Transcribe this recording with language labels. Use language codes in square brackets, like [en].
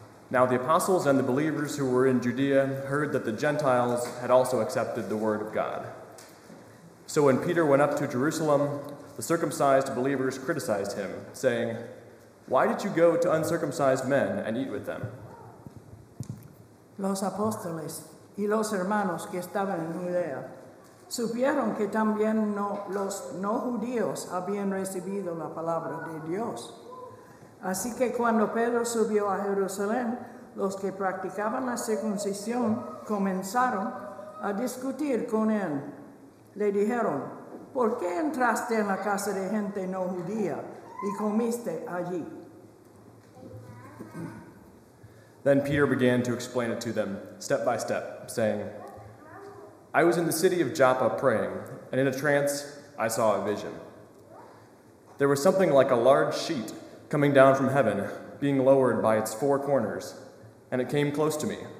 [en] Now the apostles and the believers who were in Judea heard that the Gentiles had also accepted the word of God. So when Peter went up to Jerusalem, the circumcised believers criticized him, saying, "Why did you go to uncircumcised men and eat with them?" [es] Los apóstoles y los hermanos que estaban en Judea supieron que también los no judíos habían recibido la palabra de Dios. Así que cuando Pedro subió a Jerusalén, los que practicaban la circuncisión comenzaron a discutir con él. Le dijeron, "¿Por qué entraste en la casa de gente no judía y comiste allí?" [en] Then Peter began to explain it to them, step by step, saying, "I was in the city of Joppa praying, and in a trance I saw a vision. There was something like a large sheet coming down from heaven, being lowered by its four corners, and it came close to me.